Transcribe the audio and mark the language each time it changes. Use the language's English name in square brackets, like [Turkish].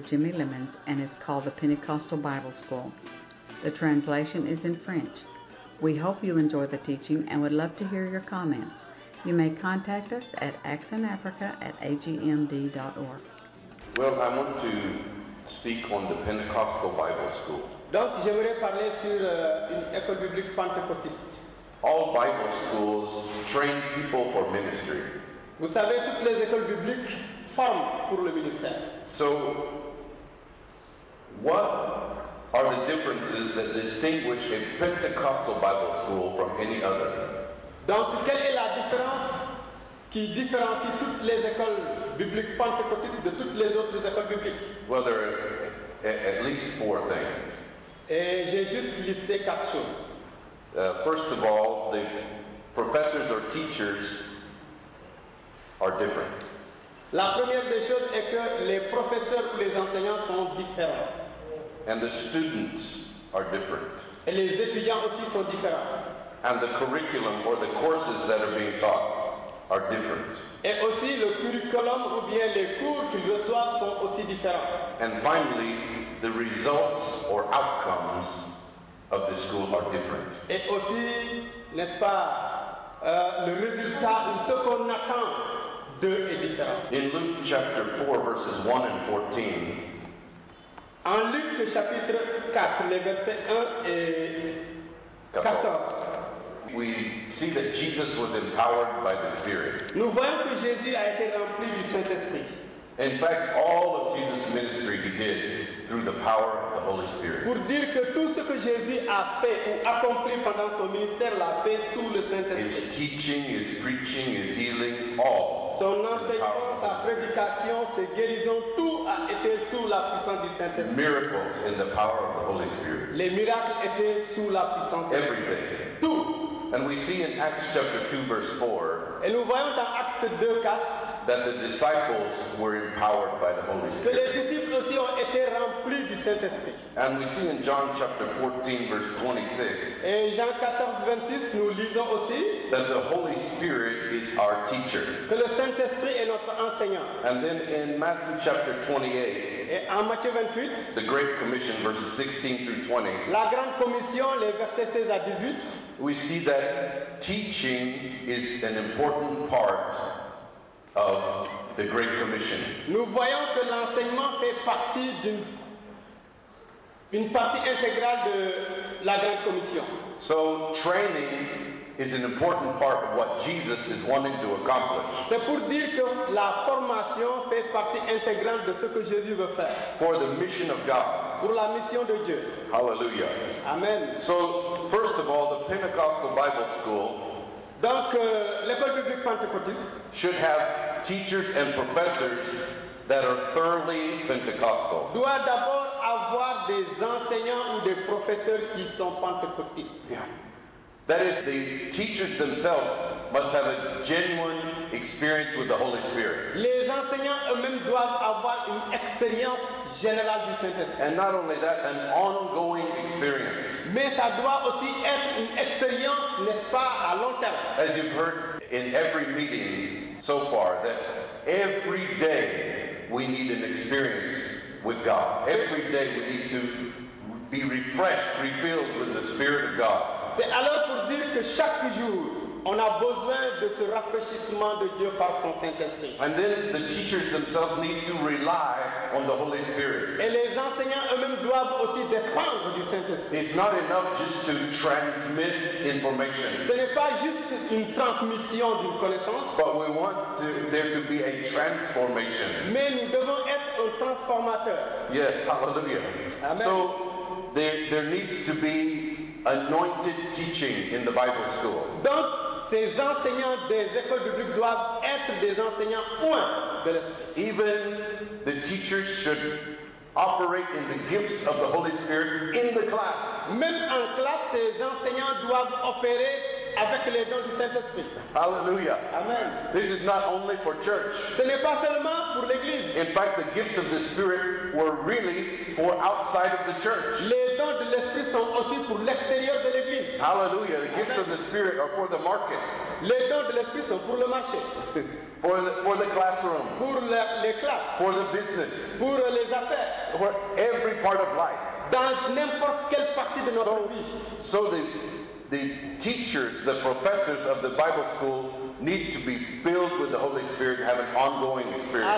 [English] Jimmy Lemons and is called the Pentecostal Bible School. The translation is in French. We hope you enjoy the teaching and would love to hear your comments. You may contact us at accentafrica@agmd.org. Well, I want to speak on the Pentecostal Bible School. [French] Donc, j'aimerais parler sur une école biblique pentecôtiste. [English] All Bible schools train people for ministry. [French] Vous savez, toutes les écoles bibliques forment pour le ministère. [English] So, what are the differences that distinguish a Pentecostal Bible school from any other? [French] Donc, quelle est la différence qui différencie toutes les écoles bibliques pentecôtistes de toutes les autres écoles bibliques? [English] Well, there are at least four things. [French] Et j'ai juste listé quatre choses. [English] First of all, the professors or teachers are different. [French] La première des choses est que les professeurs ou les enseignants sont différents. [English] And the students are different. [French] Et les étudiants aussi sont différents. [English] And the curriculum or the courses that are being taught are different. [French] Et aussi le curriculum ou bien les cours qu'ils reçoivent sont aussi différents. [English] And finally, the results or outcomes of the school are different. [French] Et aussi, n'est-ce pas, le résultat ou ce qu'on attend d'eux est différent. [English] In Luke chapter 4, verses 1 and 14. [French] En Luc chapitre 4, les versets 1 et 14. [English] We see that Jesus was empowered by the Spirit. [French] Nous voyons que Jésus a été rempli du Saint-Esprit. [English] In fact, all of Jesus' ministry he did through the power of the Holy Spirit. [French] Pour dire que tout ce que Jésus a fait ou accompli pendant son ministère l'a fait sous le Saint-Esprit. [English] His teaching, his preaching, his healing, all. [French] Son enseignement, sa prédication, ses guérisons, tout a été sous la puissance du Saint-Esprit. [English] Miracles in the power of the Holy Spirit. [French] Les miracles étaient sous la puissance. [English] Everything. [French] Tout. [English] And we see in Acts chapter 2, verse 4. [French] Et nous voyons dans Acte 2, 4. [English] That the disciples were empowered by the Holy Spirit. [French] Que les disciples aussi ont été remplis du Saint-Esprit. [English] And we see in John chapter 14, verse 26. [French] Et Jean 14, 26, nous lisons aussi. [English] That the Holy Spirit is our teacher. [French] Que le Saint-Esprit est notre enseignant. [English] And then in Matthew chapter 28. [French] Et en Matthieu 28. [English] The Great Commission, verses 16 through 20. [French] La Grande Commission, les versets 16 à 18. [English] We see that teaching is an important part of the Great Commission. [French] Nous voyons que l'enseignement fait partie d'une partie intégrale de la Grande Commission. [English] So training is an important part of what Jesus is wanting to accomplish. [French] C'est pour dire que la formation fait partie intégrale de ce que Jésus veut faire. [English] For the mission of God. [French] Pour la mission de Dieu. [English] Hallelujah. [French] Amen. [English] So, first of all, the Pentecostal Bible School. [French] Donc, l'école biblique pentecôtiste. [English] Should have teachers and professors that are thoroughly Pentecostal. [French] Doit d'abord avoir des enseignants ou des professeurs qui sont pentecôtistes. [English] Yeah. That is, the teachers themselves must have a genuine experience with the Holy Spirit. [French] Les enseignants eux-mêmes doivent avoir une expérience générale du Saint-Esprit. [English] And not only that, an ongoing experience. [French] Mais ça doit aussi être une expérience, n'est-ce pas, à long terme. [English] As you've heard in every meeting so far, that every day we need an experience with God. Every day we need to be refreshed, refilled with the Spirit of God. [French] C'est alors pour dire que chaque jour, on a besoin de ce rafraîchissement de Dieu par son Saint-Esprit. [English] And then the teachers themselves need to rely on the Holy Spirit. [French] Et les enseignants eux-mêmes doivent aussi dépendre du Saint-Esprit. [English] It's not enough just to transmit information. [French] Ce n'est pas juste une transmission d'une connaissance. [English] But we want to, there to be a transformation. [French] Mais nous devons être un transformateur. [English] Yes, hallelujah. [French] Amen. [English] So, there needs to be anointed teaching in the Bible school. [French] Donc, ces enseignants des écoles bibliques doivent être des enseignants oints de l'Esprit. [English] Even the teachers should operate in the gifts of the Holy Spirit in the class. [French] Même en classe, ces enseignants doivent opérer avec les dons du Saint-Esprit. [English] Hallelujah. [French] Amen. [English] This is not only for church. [French] Ce n'est pas seulement pour l'église. [English] In fact, the gifts of the Spirit were really for outside of the church. [French] Les dons de l'Esprit sont aussi pour l'extérieur de l'église. [English] Hallelujah. The gifts Amen. Of the Spirit are for the market. [French] Les dons de l'Esprit sont pour le marché. [English] For the classroom. [French] Pour les classes. [English] For the business. [French] Pour les affaires. [English] For every part of life. [French] Dans n'importe quelle partie de notre vie. [English] So the teachers, the professors of the Bible school need to be filled with the Holy Spirit, have an ongoing experience.